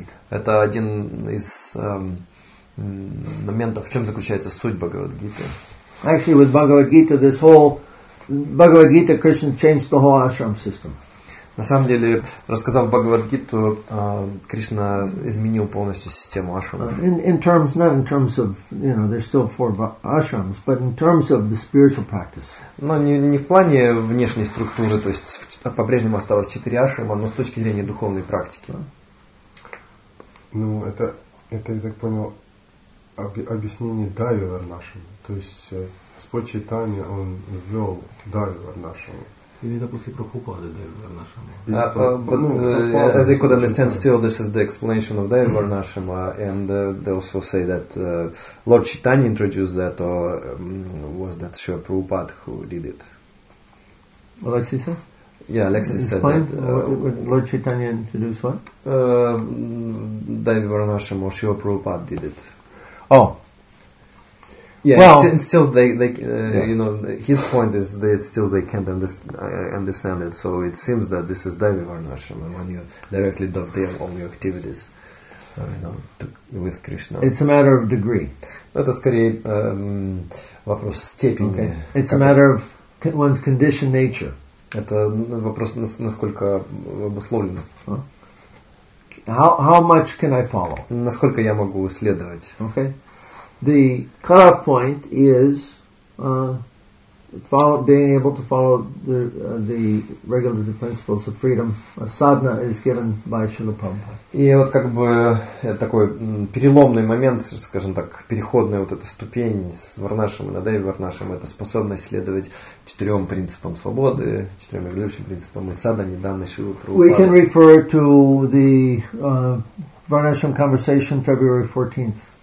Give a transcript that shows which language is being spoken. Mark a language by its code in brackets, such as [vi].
[ru] Это один из моментов, в чем заключается суть Бхагавад-гиты. [en] Actually, with Bhagavad Gita, this whole Bhagavad Gita, Krishna changed the whole ashram system. [ru] На самом деле, рассказав Бхагавад Гиту, Кришна изменил полностью систему ашрама. [en] In terms of, you know, there's still four ashrams, but in terms of the spiritual practice. [ru] Но не в плане внешней структуры, то есть по-прежнему осталось четыре ашрама, но с точки зрения духовной практики. Ну, это я так понял, объяснение Дайви Варнашрама. То есть Господь Чайтанья, он ввел Дайви Варнашрама. Или это после Прабхупады Дайварнашама? [en] As you could understand, still this is the explanation of Дайварнашама, and they also say that Lord Chaitanya introduced that, or was that Shri Prabhupada who did it? Alexis said? Yeah, Alexis explain said that. Lord Chaitanya introduced what? Дайварнашама or Shri Prabhupada did it. Oh. Yeah, well, and still they yeah. You know, his point is that still they can't understand it. So it seems that this is Dhyanavarnashrama when you directly dovetail all your activities, you know, with Krishna. It's a matter of degree. [ru] Это скорее вопрос степени. [en] Okay. It's a matter of one's conditioned nature. [ru] Это вопрос насколько обусловлено. [en] How much can I follow? [ru] Насколько я могу следовать? [en] Okay. The cutoff point is being able to follow the regulative principles of freedom. A sadhana is given by Srila Prabhupada. [ru] И вот как бы такой переломный момент, скажем так, переходная вот эта ступень с Варнашем и Дайварнашем, это способность следовать четырем принципам свободы, четырем регулирующим принципам, и садхане данной Шрилы Прабхупады. [en] We can refer to the Varnashram conversation February 14th.